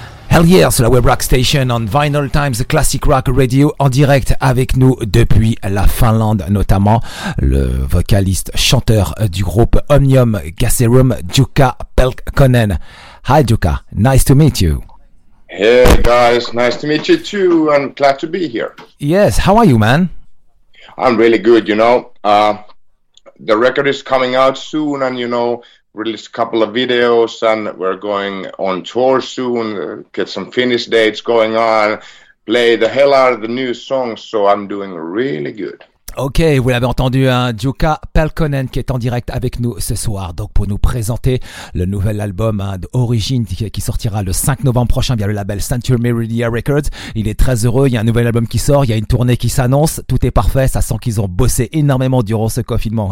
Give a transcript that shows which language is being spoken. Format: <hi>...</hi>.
<en>Hell Yeah,</en> <fr>c'est la Web Rock Station on Vinyl Times Classic Rock Radio en direct avec nous depuis la Finlande, notamment le vocaliste chanteur du groupe Omnium Gasserum, Jukka Pelkonen.</fr> <en>Hi Jukka, nice to meet you. Hey guys, nice to meet you too, and glad to be here. Yes, how are you, man? I'm really good, you know. The record is coming out soon, and you know, released a couple of videos, and we're going on tour soon, get some Finnish dates going on, play the hell out of the new songs, so I'm doing really good.</en> <fr>Ok, vous l'avez entendu, hein, Jukka Pelkonen qui est en direct avec nous ce soir, donc pour nous présenter le nouvel album d'Origin qui sortira le 5 novembre prochain via le label Century Media Records. Il est très heureux, il y a un nouvel album qui sort, il y a une tournée qui s'annonce, tout est parfait, ça sent qu'ils ont bossé énormément durant ce confinement.</fr>